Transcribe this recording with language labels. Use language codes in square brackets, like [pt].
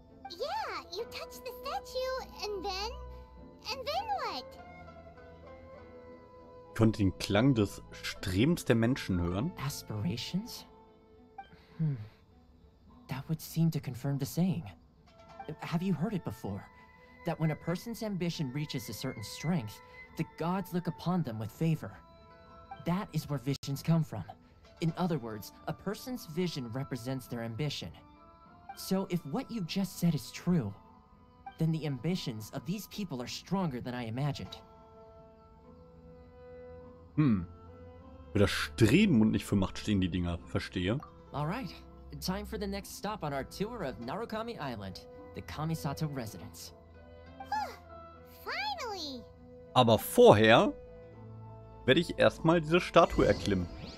[en] Yeah, you touched the statue and then what? [de] Ich konnte den Klang des Strebens der Menschen hören. [en] Aspirations? That would seem to confirm the saying. Have you heard it before? That when a person's ambition reaches a certain strength, the gods look upon them with favor. That is where visions come from. In other words, a person's vision represents their ambition. So if what you just said is true, then the ambitions of these people are stronger than I imagined. [de] Für das Streben und nicht für Macht stehen die Dinger, verstehe. [en] Alright, time for the next stop on our tour of Narukami Island, the Kamisato Residence. Finally! [de] Aber vorher werde ich erstmal diese Statue erklimmen.